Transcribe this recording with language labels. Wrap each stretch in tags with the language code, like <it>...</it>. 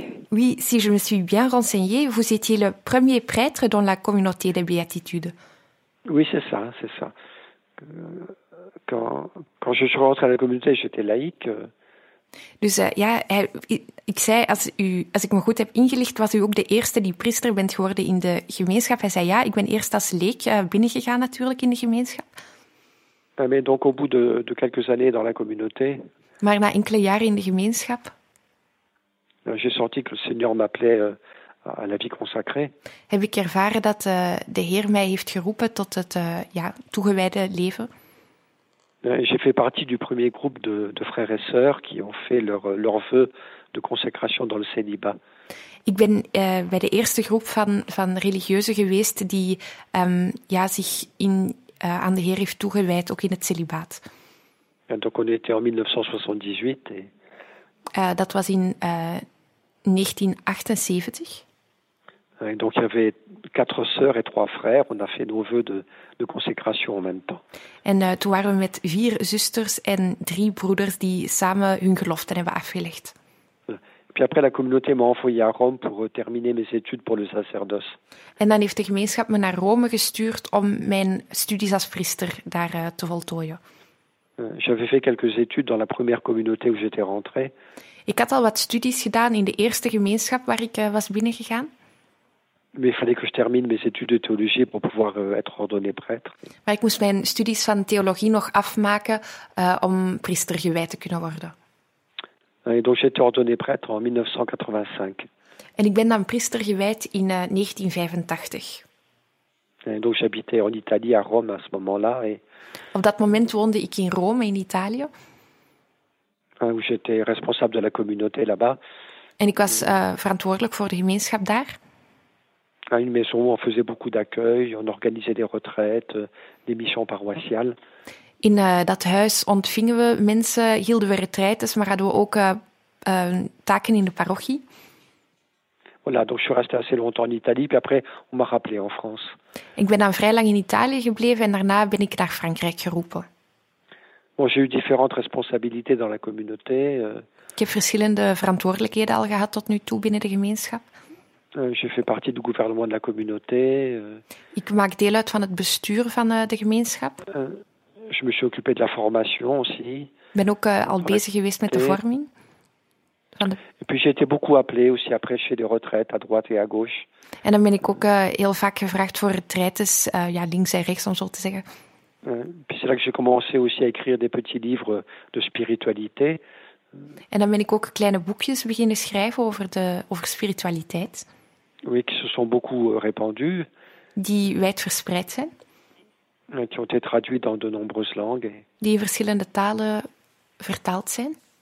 <fr>Oui, si je me suis bien renseigné, vous étiez le premier prêtre dans la communauté des Béatitudes. Oui, c'est ça. Quand je suis rentré à la communauté, j'étais laïque.</fr> <nl>Dus ja, ik zei, als ik me goed heb ingelicht, was u ook de eerste die priester bent geworden in de gemeenschap. Hij zei ja, ik ben eerst als leek binnengegaan natuurlijk in de gemeenschap.</nl> <fr>Mais donc au bout de quelques années dans la communauté.</fr> <nl>Maar na enkele jaren in de gemeenschap.</nl> <fr>J'ai senti que le Seigneur m'appelait à la vie consacrée.</fr> <nl>Heb ik ervaren dat de Heer mij heeft geroepen tot het toegewijde leven.</nl> <fr>J'ai fait partie du premier groupe de frères et sœurs qui ont fait leur vœu de consécration dans le célibat.</fr> <nl>Ik ben bij de eerste groep van religieuzen geweest die zich aan de Heer heeft toegewijd, ook in het celibaat.</nl> <fr>En donc on était en 1978 et...</fr> <nl>Dat was in 1978.</nl> <fr>Et donc il y avait 4 sœurs et 3 frères. On a fait nos vœux de consécration en même temps.</fr> <nl>En toen waren we met 4 zusters en 3 broeders die samen hun geloften hebben afgelegd.</nl> <fr>Et puis après, la communauté m'a envoyé à Rome pour terminer mes études pour le sacerdoce.</fr> <nl>En dan heeft de gemeenschap me naar Rome gestuurd om mijn studies als priester daar te voltooien.</nl> <fr>J'avais fait quelques études dans la première communauté où j'étais rentré.</fr> <nl>Ik had al wat studies gedaan in de eerste gemeenschap waar ik was binnengegaan.</nl> <fr>Mais il fallait que je termine mes études de théologie pour pouvoir être ordonné prêtre.</fr> <nl>Maar ik moest mijn studies van theologie nog afmaken om priester gewijd te kunnen worden.</nl> <fr>Et donc j'étais ordonné prêtre en 1985.</fr> <nl>En ik ben dan priester gewijd in 1985.</nl> <fr>En donc j'habitais en Italie, à Rome, à ce moment-là. Et...</fr> <nl>Op dat moment woonde ik in Rome, in Italië.</nl> <fr>Où j'étais responsable de la communauté là-bas.</fr> <nl>En ik was verantwoordelijk voor de gemeenschap daar.</nl> <fr>À une maison où on faisait beaucoup d'accueil, on organisait des retraites, des missions paroissiales.</fr> <nl>In dat huis ontvingen we mensen, hielden we retraites, maar hadden we ook taken in de parochie.</nl> <fr>Voilà, donc je suis resté assez longtemps en Italie, puis après on m'a rappelé en France.</fr> <nl>Ik ben dan vrij lang in Italië gebleven en daarna ben ik naar Frankrijk geroepen.</nl> <fr>Bon, j'ai eu différentes responsabilités dans la communauté.</fr> <nl>Ik heb verschillende verantwoordelijkheden al gehad tot nu toe binnen de gemeenschap.</nl> <fr>Je fais partie du gouvernement de la communauté.</fr> <nl>Ik maak deel uit van het bestuur van de gemeenschap.</nl> <fr>Je me suis occupé de la formation aussi.</fr> <nl>Ik ben ook al bezig geweest met de vorming.</nl> <fr>Et puis j'ai été beaucoup appelé aussi après chez des retraites à droite et à gauche.</fr> <nl>En dan ben ik ook heel vaak gevraagd voor retraites, ja, links en rechts om zo te zeggen.</nl> <fr>Puis c'est là que j'ai commencé aussi à écrire des petits livres de spiritualité.</fr> <nl>En dan ben ik ook kleine boekjes beginnen schrijven over spiritualiteit.</nl> <fr>Oui, qui se sont beaucoup répandus.</fr> <nl>Die wijdverspreid zijn.</nl> <fr>Qui ont été traduits dans de nombreuses langues.</fr> <nl>Die in verschillende talen vertaald zijn.</nl>